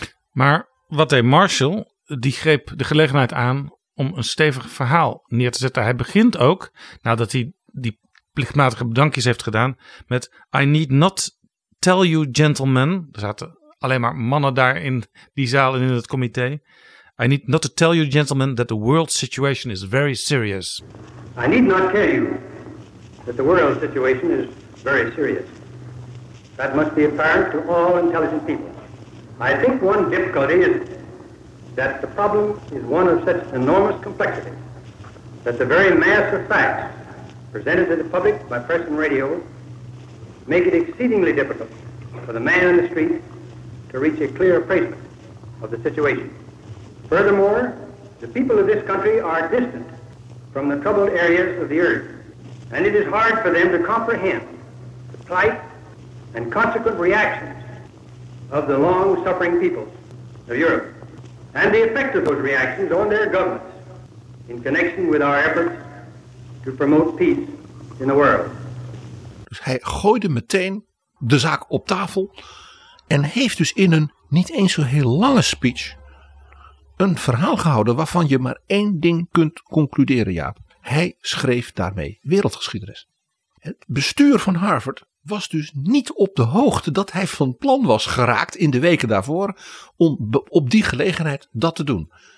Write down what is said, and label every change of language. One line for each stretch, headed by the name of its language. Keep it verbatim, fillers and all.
Dutch: Maar wat deed Marshall? Die greep de gelegenheid aan om een stevig verhaal neer te zetten. Hij begint ook, nadat hij die plichtmatige bedankjes heeft gedaan, met
English: I need not tell you gentlemen.
Dutch: Er zaten alleen maar mannen daar in die zaal en in het comité.
English: I need not to tell you gentlemen that the world situation is very serious. I need not tell you that the world situation is very serious. That must be apparent to all intelligent people. I think one difficulty is that the problem is one of such enormous complexity that the very mass of facts presented to the public by press and radio make it exceedingly difficult for the man in the street to reach a clear appraisement of the situation. Furthermore, the people of this country are distant from the troubled areas of the earth, and it is hard for them to comprehend the plight and consequent reactions of the long-suffering peoples of Europe, and the effect of those reactions on their governments in connection with our efforts to promote peace in the world.
Dutch: Dus hij gooide meteen de zaak op tafel en heeft dus in een niet eens zo heel lange speech een verhaal gehouden waarvan je maar één ding kunt concluderen, Jaap. Hij schreef daarmee wereldgeschiedenis. Het bestuur van Harvard was dus niet op de hoogte dat hij van plan was geraakt in de weken daarvoor om op die gelegenheid dat te doen.